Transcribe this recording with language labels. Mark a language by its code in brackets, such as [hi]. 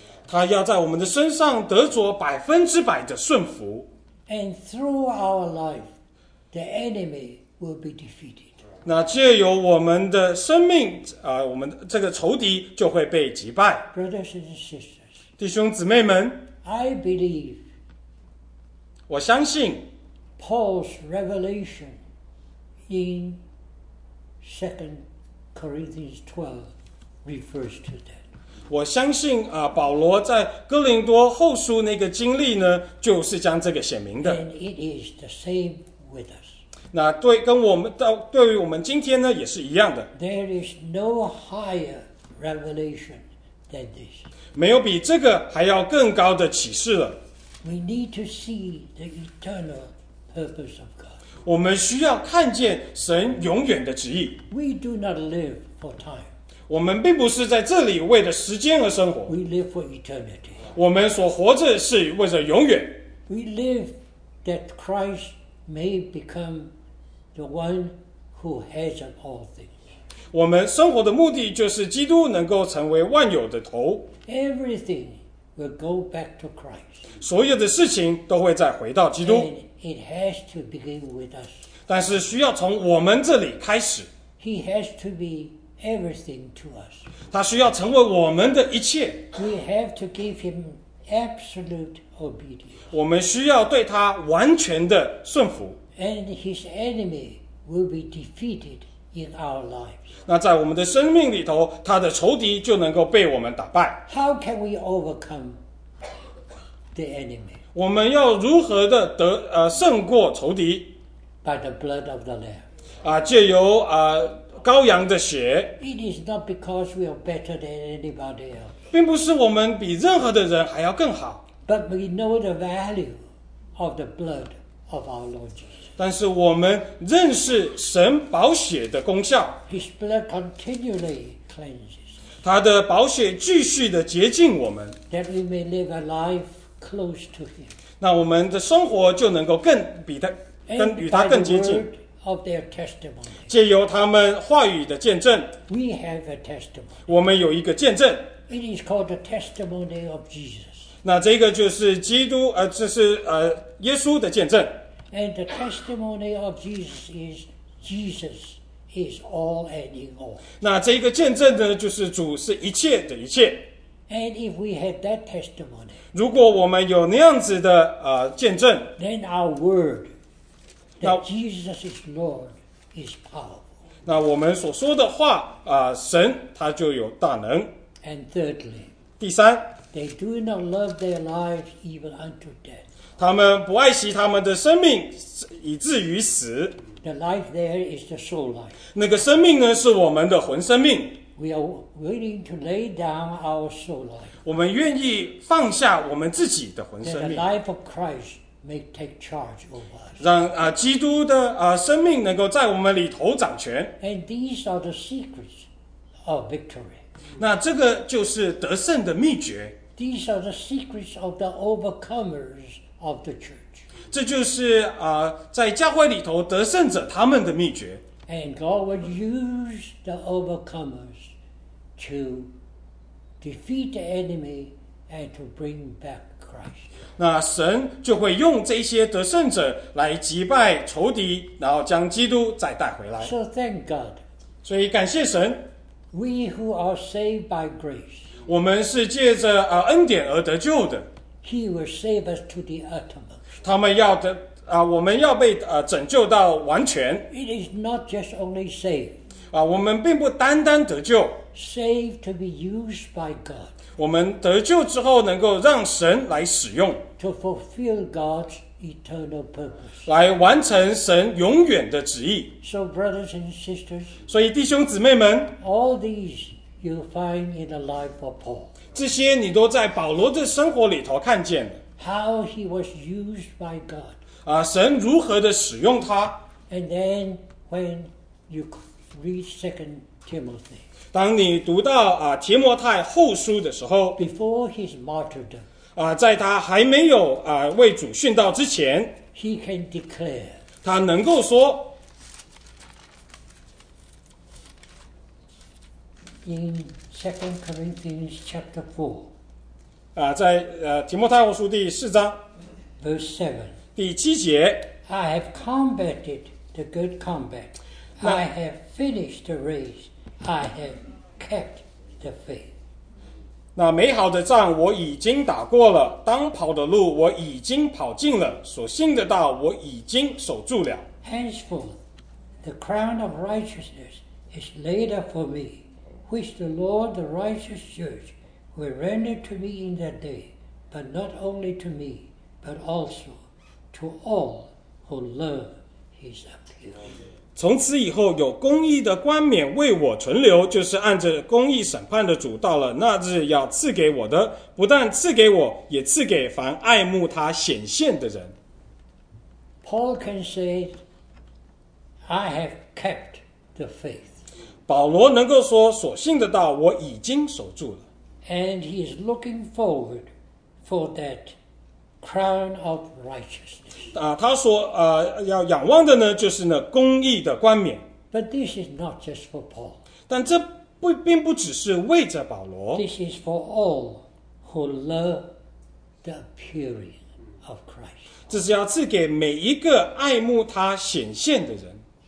[zh] 他要在我们的身上得着100%的顺服。 [en] And through our life, the enemy will be defeated. [zh] 那借由我们的生命，我们这个仇敌就会被击败。 [en] Brothers and sisters, [zh] 弟兄姊妹们， [en] I believe. [zh] 我相信 [en] Paul's revelation in 2 Corinthians 12 refers to that. [zh] 我相信保罗在哥林多后书那个经历呢，就是将这个显明的。 [en] And it is the same with us. [zh] 那对跟我们到对于我们今天呢也是一样的。 [en] There is no higher revelation than this. [zh] 没有比这个还要更高的启示了。 [en] We need to see the eternal purpose of God. [zh] 我们需要看见神永远的旨意。 [en] We do not live for time. [zh] 我们并不是在这里为了时间而生活。 [en] We live for eternity. [zh] 我们所活着是为着永远。 [en] We live that Christ may become the one who has all things. [zh] 我们生活的目的就是基督能够成为万有的头。 [en] Everything will go back to Christ. [zh] 所有的事情都会再回到基督。 [en] And it has to begin with us. [zh] 但是需要从我们这里开始。 [en] He has to be. Everything to us. [zh] 他需要成为我们的一切。 [en] We have to give him absolute obedience. [zh] 我们需要对他完全的顺服。 [en] And his enemy will be defeated in our lives. [zh] 那在我们的生命里头，他的仇敌就能够被我们打败。 [en] How can we overcome the enemy? [zh] 我们要如何的胜过仇敌？ [en] By the blood of the Lamb. [zh] 借由羔羊的血。 [en] It is not because we are better than anybody else. [zh] 并不是我们比任何的人还要更好。 [en] But we know the value of the blood of our Lord Jesus. [zh] 但是我们认识神宝血的功效。 [en] His blood continually cleanses. [zh] 他的宝血继续的洁净我们。 [en] That we may live a life close to him. [zh] 那我们的生活就能够更比他跟与他更接近。 [en] Of their testimony. [zh] 借由他们话语的见证， [en] We have a testimony. [zh] 我们有一个见证。 [en] It is called the testimony of Jesus. [zh] 那这个就是基督，这是耶稣的见证。 [en] And the testimony of Jesus is Jesus is all and in all. [zh] 那这个见证呢，就是主是一切的一切。 [en] And if we had that testimony, [zh] 如果我们有那样子的见证， [en] Then our word. That Jesus is Lord is powerful. [zh] 那我们所说的话神他就有大能。 [en] And thirdly, [zh] 第三， [en] they do not love their lives even unto death. [zh] 他们不爱惜他们的生命，以至于死。 [en] The life there is the soul life. [zh] 那个生命呢，是我们的魂生命。 [en] We are willing to lay down our soul life. [zh] 我们愿意放下我们自己的魂生命。 [en] That the life of Christ may take charge over us. [zh] 让基督的生命能够在我们里头掌权。 [en] And these are the secrets of victory. [zh] 那这个就是得胜的秘诀。 [en] These are the secrets of the overcomers of the church. [zh] 这就是在教会里头得胜者他们的秘诀。 [en] And God would use the overcomers to defeat the enemy and to bring back Christ. [zh] 那神就会用这些得胜者来击败仇敌，然后将基督再带回来。 [en] So thank God. [zh] 所以感谢神。 [en] We who are saved by grace. [zh] 我们是借着恩典而得救的。 [en] He will save us to the uttermost. [zh] 他们要的我们要被拯救到完全。 [en] It is not just only saved. [zh] 我们并不单单得救。 [en] Saved to be used by God. [zh] 我们得救之后能够让神来使用。 [en] To fulfill God's eternal purpose. [zh] 来完成神永远的旨意。 [en] So brothers and sisters. [zh] 所以弟兄姊妹们。 [en] All these you find in the life of Paul. [zh] 这些你都在保罗的生活里头看见的。 [en] How he was used by God. [zh] 神如何的使用他。 [en] And then when you read 2 Timothy. [zh] 当你读到提摩太后书的时候。 [en] Before his martyrdom. [zh] 在他还没有为主殉道之前。 [en] He can declare. [zh] 他能够说。 [en] In 2 Corinthians chapter 4. [zh] 在提摩太后书第四章 [en] Verse 7. [zh] 第七节 [en] I have combated the good combat. I have finished the race. I have kept the faith. [zh] 那美好的仗我已经打过了，当跑的路我已经跑尽了，所信的道我已经守住了。 [en] Henceforth, the crown of righteousness is laid up for me. Which the Lord, the righteous judge, will render to me in that day, but not only to me, but also to all who love his appeal. [zh] 从此以后，有公义的冠冕为我存留，就是按着公义审判的主，到了那日要赐给我的，不但赐给我，也赐给凡爱慕他显现的人。 [en] Paul can say, I have kept the faith. [zh] 保罗能够说所信的道我已经守住了。 [en] And he is looking forward for that crown of righteousness. [zh] 他说要仰望的呢就是那公义的冠冕。 [en] But this is not just for Paul. [zh] 但这并不只是为着保罗。 [en] This is for all who love the appearing of Christ. [zh] 这是要赐给每一个爱慕他显现的人。